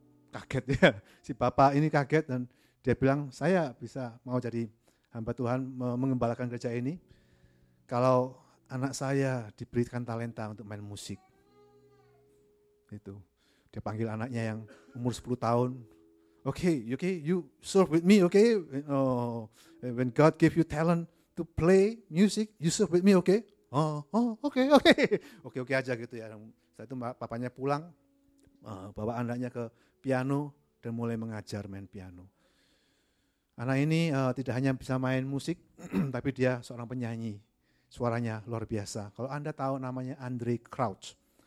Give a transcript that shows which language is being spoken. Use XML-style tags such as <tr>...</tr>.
<id>Kaget ya, si bapak ini kaget dan dia bilang, saya bisa mau jadi hamba Tuhan mengembalakan gereja ini kalau anak saya diberikan talenta untuk main musik. Itu dia panggil anaknya yang umur 10 tahun.</id> <en>Okay, you serve with me, okay? Oh, when God give you talent to play music, you serve with me, okay?</en> <id>Okay aja gitu ya. Saat itu papanya pulang, bawa anaknya ke piano dan mulai mengajar main piano. Anak ini tidak hanya bisa main musik, tapi dia seorang penyanyi. Suaranya luar biasa. Kalau Anda tahu namanya Andre Crouch.</id>